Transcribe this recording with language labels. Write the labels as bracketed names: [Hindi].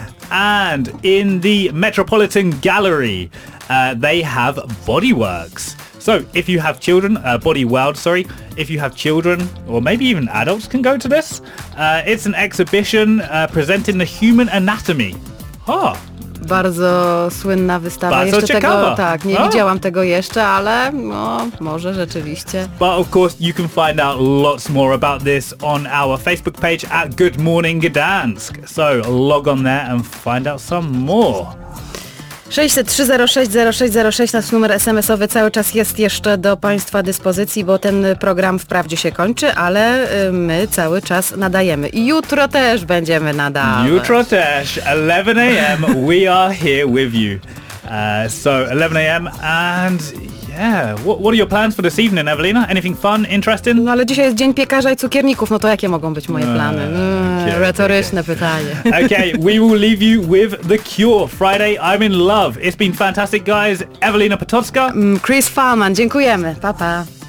[English] And in the Metropolitan Gallery, they have Bodyworks. So if you have children, Body World, sorry, if you have children or maybe even adults can go to this. It's an exhibition presenting the human anatomy. Huh. [Polish] Bardzo słynna wystawa. Bardzo jeszcze ciekawa. Tego, tak, nie widziałam tego jeszcze, ale no, może rzeczywiście. [English] But of course you can find out lots more about this on our Facebook page at Good Morning Gdansk. So log on there and find out some more. [Polish] 603060606, nasz numer SMS-owy cały czas jest jeszcze do Państwa dyspozycji, bo ten program wprawdzie się kończy, ale my cały czas nadajemy. I jutro też będziemy nadawać. Jutro też, [English] 11 a.m. we are here with you. So 11 a.m. and yeah, what are your plans for this evening, Evelina? Anything fun, interesting? [Polish] No ale dzisiaj jest dzień piekarza i cukierników, no to jakie mogą być moje plany? Retoryczne pytanie. [English] Okay, we will leave you with The Cure, Friday I'm in Love. It's been fantastic, guys. Evelina Potocka. [Polish] Chris Farman, dziękujemy. Pa, pa.